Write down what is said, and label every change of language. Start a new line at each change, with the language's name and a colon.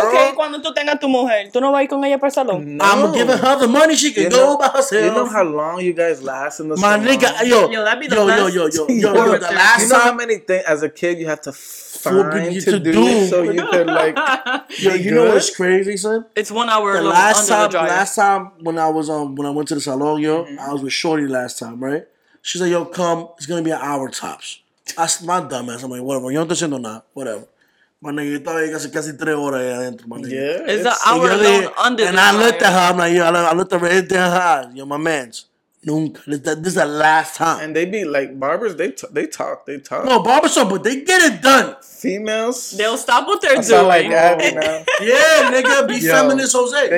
Spanish: Okay, cuando tú tengas tu mujer, tú no vas a ir con ella para salón.
English: I'm giving her the money, she can go by herself. You know how long you guys last in the salon? My nigga, yo, the last time. You know how many things as a kid you have to find to do so you can like. You know what's crazy, son? It's 1 hour. Last time when I went to the salon, yo, mm-hmm. I was with Shorty last time, right? She's like, yo, come, it's gonna be an hour tops. That's my dumb ass. I'm like, whatever,
Spanish: yo no estoy haciendo nada,
English: whatever. My nigga,
Spanish: estaba ahí casi 3 horas ahí adentro,
English: my nigga. It's an hour alone under and the And I looked at her, I'm like, yo, I looked right into her eyes, yo, my mans.
Spanish: Nunca.
English: This is the last time. And they be like, barbers, they talk. No, barbers talk, but they get it done. Females. They'll stop what they're doing. Like that, yeah, nigga, be yo, feminist, Jose.